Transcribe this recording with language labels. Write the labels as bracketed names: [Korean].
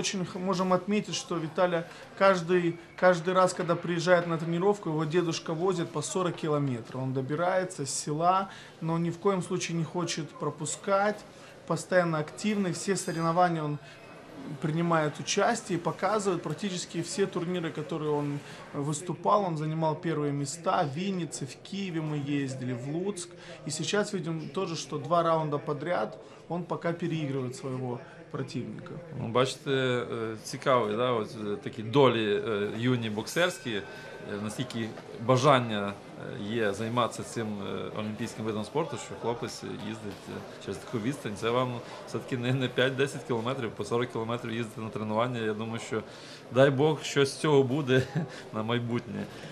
[Ukrainian] І дуже можемо відмітити, що Віталія кожен раз, коли приїжджає на тренування, його дідусь возить по 40 кілометрів. Він добирається з села, але ні в коєму випадку не хоче пропускати, постійно активний, всі соревновання він [Russian] принимает участие и показывает практически все турниры, которые он выступал. Он занимал первые места в Виннице, в Киеве мы ездили, в Луцк. И сейчас видим тоже, что два раунда подряд он пока переигрывает своего противника. [Ukrainian] Ну, бачите, цікаві, да, от такі долі юні боксерські, наскільки бажання є займатися цим олімпійським видом спорту, що хлопець їздить через таку відстань. Це вам все-таки не 5-10 кілометрів, по 40 кілометрів їздити на тренування. Я думаю, що дай Бог, щось з цього буде на майбутнє.